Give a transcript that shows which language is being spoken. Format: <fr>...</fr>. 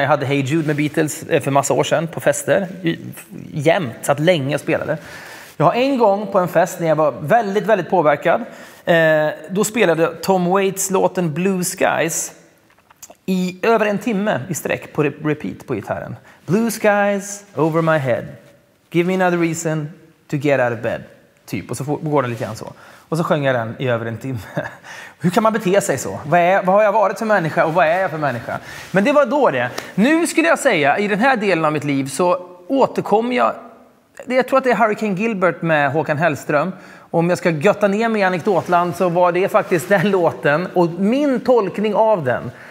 <sv>Jag hade Hey Jude med Beatles för massa år sedan på fester. Jämt, satt länge och spelade. Jag har en gång på en fest när jag var väldigt, väldigt påverkad. Då spelade Tom Waits låten Blue Skies i över en timme i sträck på repeat på gitarren.</sv> <en>Blue skies over my head, give me another reason to get out of bed.</en> <sv>Typ, och så går det lite grann så. Och så sjöng jag den i över en timme. Hur kan man bete sig så? Vad har jag varit för människa, och vad är jag för människa? Men det var då det. Nu skulle jag säga, i den här delen av mitt liv så återkommer jag. Jag tror att det är Hurricane Gilbert med Håkan Hellström. Om jag ska götta ner mig i anekdotland, så var det faktiskt den låten och min tolkning av den</sv>